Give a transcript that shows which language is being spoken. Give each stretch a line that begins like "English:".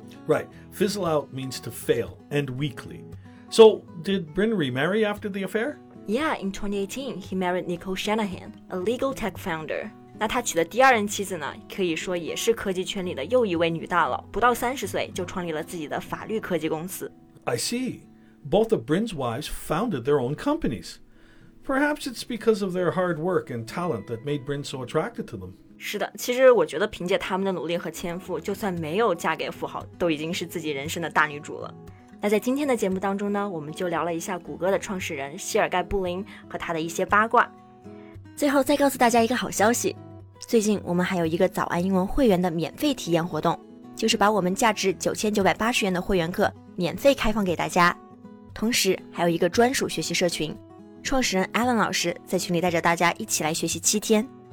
English: Right, fizzle out means to fail, end weakly. So, did Brin remarry after the affair? Yeah, in 2018, he married Nicole Shanahan, a legal tech founder.
Chinese: 那他娶的第二任妻子呢，可以说也是科技圈里的又一位女大佬，不到30岁就创立了自己的法律科技公司。
English: I see. Both of Brin's wives founded their own companies. Perhaps it's because of their hard work and talent that made Brin so attracted to them.
Chinese: 是的，其实我觉得凭借他们的努力和天赋，就算没有嫁给富豪，都已经是自己人生的大女主了。那在今天的节目当中呢，我们就聊了一下谷歌的创始人谢尔盖布林和他的一些八卦。最后再告诉大家一个好消息，最近我们还有一个早安英文会员的免费体验活动，就是把我们价值9980元的会员课免费开放给大家，同时还有一个专属学习社群，创始人 Alan 老师在群里带着大家一起来学习7天。